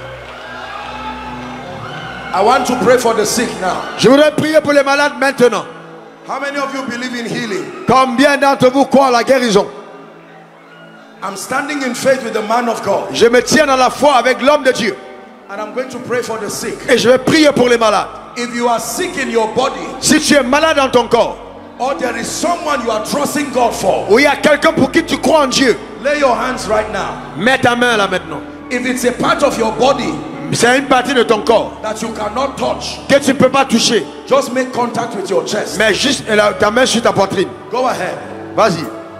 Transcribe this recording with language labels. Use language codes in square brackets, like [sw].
[en] I want to pray for the sick now. [fr] Je voudrais prier pour les malades maintenant. [en] How many of you believe in healing? [fr] Combien d'entre vous croient à la guérison? [en] I'm standing in faith with the man of God. [fr] Je me tiens dans la foi avec l'homme de Dieu. [en] And I'm going to pray for the sick. [fr] Et je vais prier pour les malades. [en] If you are sick in your body, [fr] si tu es malade dans ton corps, [en] or there is someone you are trusting God for, [fr] ou il y a quelqu'un pour qui tu crois en Dieu, [en] lay your hands right now. [fr] Mets ta main là maintenant. [en] If it's a part of your body, [fr] c'est une partie de ton corps, [en] that you cannot touch, [fr] que tu ne peux pas toucher, [en] just make contact with your chest. [fr] Mets juste ta main sur ta poitrine. [en] Go ahead. [fr] Vas-y.